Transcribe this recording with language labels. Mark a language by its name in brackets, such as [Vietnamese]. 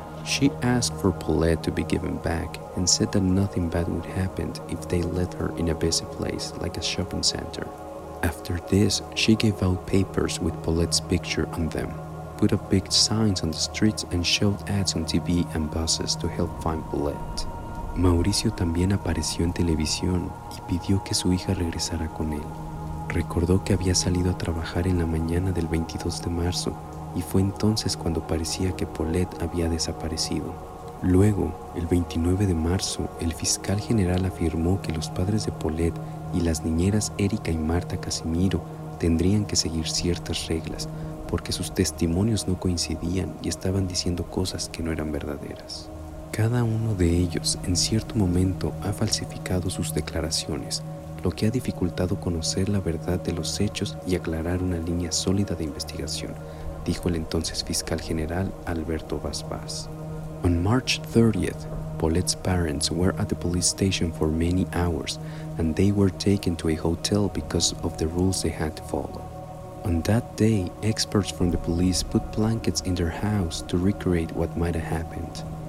[English] She asked for Paulette to be given back and said that nothing bad would happen if they let her in a busy place like a shopping center. After this, she gave out papers with Paulette's picture on them, put up big signs on the streets, and showed ads on TV and buses to help find Paulette. [Spanish] Mauricio también apareció en televisión y pidió que su hija regresara con él. Recordó que había salido a trabajar en la mañana del 22 de marzo y fue entonces cuando parecía que Paulette había desaparecido. Luego, el 29 de marzo, el fiscal general afirmó que los padres de Paulette y las niñeras Erika y Marta Casimiro tendrían que seguir ciertas reglas porque sus testimonios no coincidían y estaban diciendo cosas que no eran verdaderas. Cada uno de ellos, en cierto momento, ha falsificado sus declaraciones, lo que ha dificultado conocer la verdad de los hechos y aclarar una línea sólida de investigación, dijo el entonces fiscal general Alberto Vaz. [English] On March 30th, Paulette's parents were at the police station for many hours, and they were taken to a hotel because of the rules they had to follow. On that day, experts from the police put blankets in their house to recreate what might have happened.